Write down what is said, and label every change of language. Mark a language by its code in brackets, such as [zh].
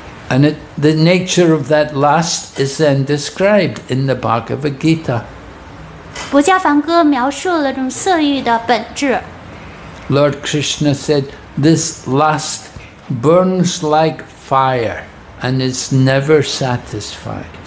[en] And it, the nature of that lust is then described in the Bhagavad Gita. [zh] 薄伽梵歌描述了这种色欲的本质。 [en] Lord Krishna said, this lust burns like fire and is never satisfied.